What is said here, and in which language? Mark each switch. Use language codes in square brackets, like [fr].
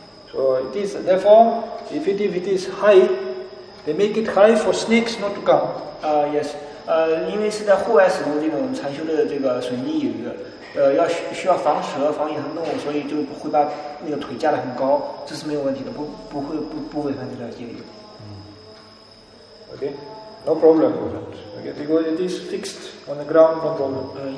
[en] So it is, therefore, if it is high, they make it high for snakes not to come. Yes. [zh] 因为是在户外使用这种禅修的这个水泥椅子，要需要防蛇、防野生动物，所以就会把那个腿架得很高，这是没有问题的，不会违反这条戒律。 [en] Okay. No problem. Okay. Because it is fixed on the ground, no problem.